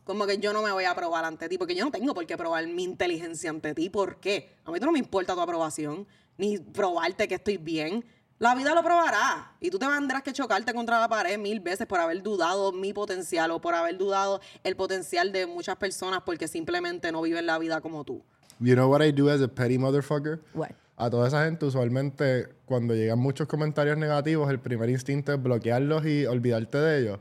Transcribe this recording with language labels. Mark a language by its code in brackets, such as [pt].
[es] Como que yo no me voy a probar ante ti, porque yo no tengo por qué probar mi inteligencia ante ti. ¿Por qué? A mí no me importa tu aprobación, ni probarte que estoy bien. La vida lo probará y tú te tendrás que chocarte contra la pared mil veces por haber dudado mi potencial o por haber dudado el potencial de muchas personas porque simplemente no viven la vida como tú. [en] You know what I do as a petty motherfucker? What? [es] A toda esa gente, usualmente, cuando llegan muchos comentarios negativos, el primer instinto es bloquearlos y olvidarte de ellos.